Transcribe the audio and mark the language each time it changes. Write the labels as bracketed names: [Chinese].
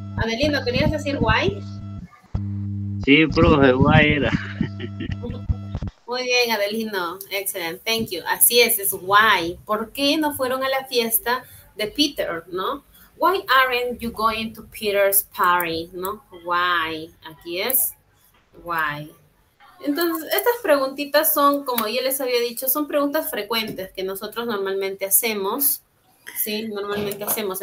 [Spanish] Adelino, ¿querías decir guay? Sí, profe, guay era. Muy bien, Adelino. [English] Excellent, thank you. [Spanish] Así es guay. ¿Por qué no fueron a la fiesta de Peter, no? [English] Why aren't you going to Peter's party, no? [Spanish] Why, aquí es why. Entonces, estas preguntitas son, como ya les había dicho, son preguntas frecuentes que nosotros normalmente hacemos, ¿sí? Normalmente hacemos.